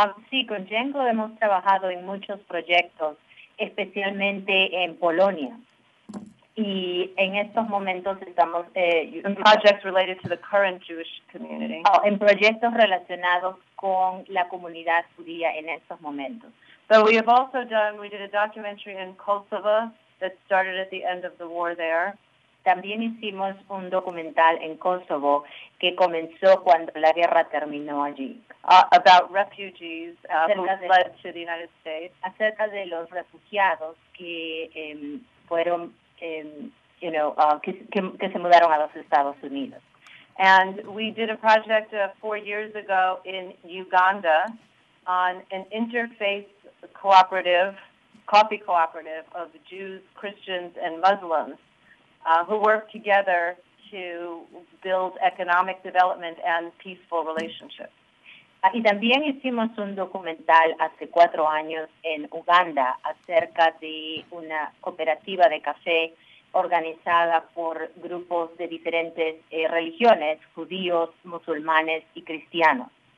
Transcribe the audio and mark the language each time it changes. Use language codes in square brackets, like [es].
[es] Sí, con Jenglo hemos trabajado en muchos proyectos, especialmente en Polonia. Y en estos momentos estamos [en] in projects related to the current Jewish community. [es] Oh, en proyectos relacionados con la comunidad judía en estos momentos. [en] So we have also done, we did a documentary in Kosovo that started at the end of the war there. [es] También hicimos un documental en Kosovo que comenzó cuando la guerra terminó allí. [en] About refugees who fled to the United States. [es] Acerca de los refugiados que fueron que se mudaron a los Estados Unidos. [en] And we did a project 4 years ago in Uganda on an interfaith cooperative, coffee cooperative of Jews, Christians, and Muslims who work together to build economic development and peaceful relationships. [es] Y también hicimos un documental hace 4 años en Uganda acerca de una cooperativa de café organizada por grupos de diferentes religiones, judíos, musulmanes y cristianos.